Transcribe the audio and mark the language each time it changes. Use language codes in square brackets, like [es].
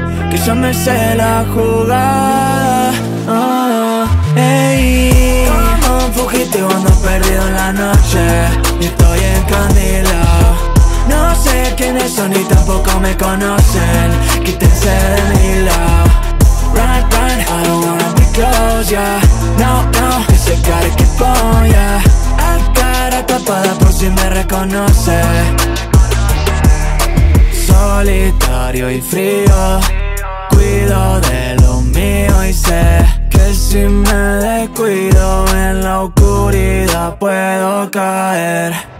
[es] Que ya me hice la jugada, ey. Como un fugitivo ando perdido en la noche y estoy encandilado. No sé quiénes son y tampoco me conocen. Quítense de mi lado. [en] Right, right, I don't wanna be close, yeah. [es] No, no, ese cara que pongo, yeah. A cara tapada por si me reconoce. Solitario y frío, cuido de lo mío y sé que si me descuido en la oscuridad puedo caer.